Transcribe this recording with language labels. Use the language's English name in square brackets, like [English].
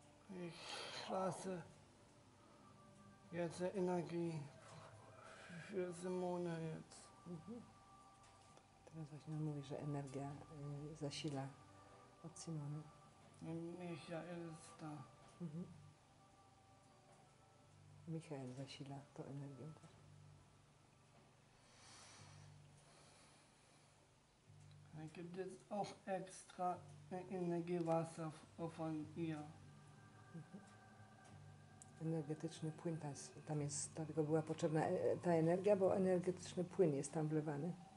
[German] Ich lasse jetzt Energie für Simone jetzt. [Polish] Teraz właśnie mówi, że energia zasila od Simony. Michael jest ta. Michael zasila tą energią też. [German] Er gibt jetzt auch extra Energiewasser von ihr. [Polish] Energetyczny płyn tam jest, dlatego była potrzebna ta energia, bo energetyczny płyn jest tam wlewany.